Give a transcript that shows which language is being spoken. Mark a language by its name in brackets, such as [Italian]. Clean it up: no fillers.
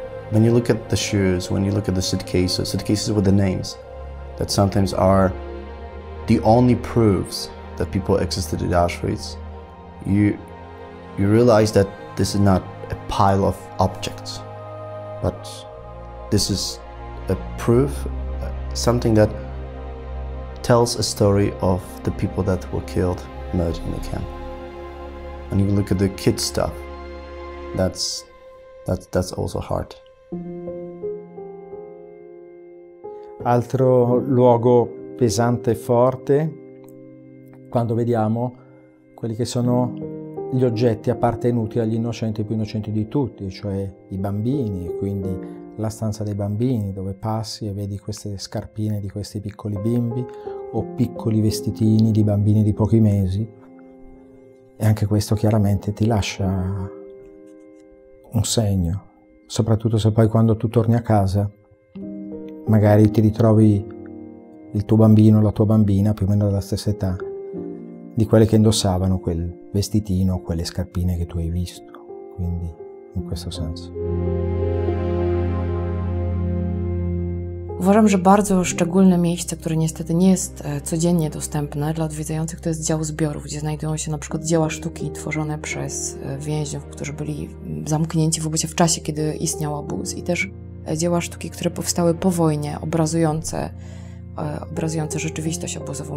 [English] When you look at the shoes, when you look at the suitcases with the names, that sometimes are the only proofs that people existed in Auschwitz, you realize that this is not a pile of objects, but this is a proof, something that tells a story of the people that were killed, murdered in the camp. And you look at the kids' stuff, that's also hard. [Italian] Altro luogo pesante e forte, quando vediamo quelli che sono gli oggetti appartenuti agli innocenti più innocenti di tutti, cioè i bambini, quindi la stanza dei bambini, dove passi e vedi queste scarpine di questi piccoli bimbi o piccoli vestitini di bambini di pochi mesi. E anche questo chiaramente ti lascia un segno, soprattutto se poi quando tu torni a casa magari ti ritrovi il tuo bambino o la tua bambina più o meno della stessa età di quelle che indossavano quel vestitino o quelle scarpine che tu hai visto, quindi in questo senso. [Polish] Uważam, że bardzo szczególne miejsce, które niestety nie jest codziennie dostępne dla odwiedzających, to jest dział zbiorów, gdzie znajdują się na przykład dzieła sztuki tworzone przez więźniów, którzy byli zamknięci w obozie w czasie, kiedy istniał obóz, i też dzieła sztuki, które powstały po wojnie, obrazujące rzeczywistość obozową.